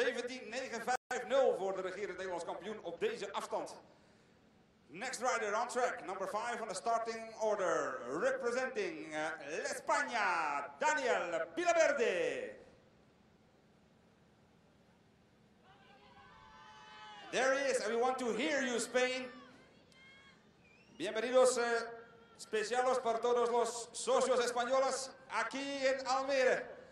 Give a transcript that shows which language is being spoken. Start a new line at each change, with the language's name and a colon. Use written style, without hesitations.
Dutch: 17.950 voor de regerend Nederlands kampioen op deze afstand.
English: Next rider on track, number 5 on the starting order. Representing L'Espagna, Daniel Pilaverde. There he is, and we want to hear you, Spain.
Spanish: Bienvenidos, especiales para todos los socios españoles aquí en Almere.